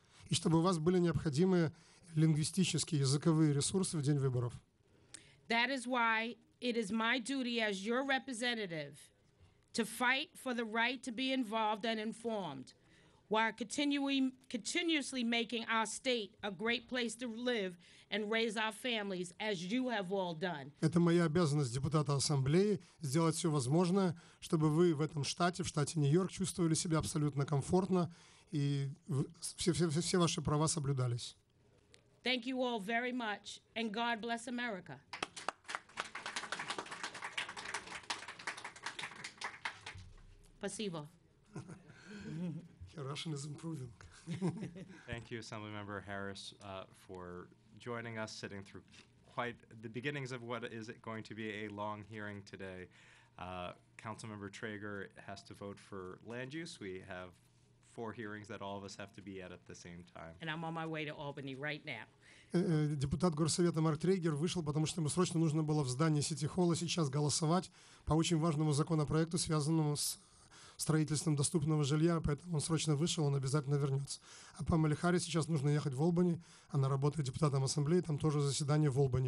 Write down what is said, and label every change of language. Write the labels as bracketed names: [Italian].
[Russian] И чтобы у вас были необходимые лингвистические, языковые ресурсы в день выборов. [English] That is why it is my duty as your representative to fight for the right to be involved and informed. While continuously making our state a great place to live and raise our families, as you have all done. [Russian] Это моя обязанность депутата ассамблеи сделать все возможное, чтобы вы в этом штате, в штате Нью-Йорк, чувствовали себя абсолютно комфортно и все ваши права соблюдались. [English] Thank you all very much, and God bless America. [Russian] Спасибо. [English] Russian is improving. Thank you, Assemblymember Harris, for joining us, sitting through quite the beginnings of what is it going to be a long hearing today. Councilmember Traeger has to vote for land use. We have four hearings that all of us have to be at the same time. And I'm on my way to Albany right now. [Russian] Депутат Горсовета Марк Трейгер вышел, потому что ему срочно нужно было в здание Сити-Холла сейчас голосовать по очень важному законопроекту, связанному с строительством доступного жилья, поэтому он срочно вышел, он обязательно вернется. А Памеле Харрис сейчас нужно ехать в Олбани, она работает депутатом ассамблеи, там тоже заседание в Олбани.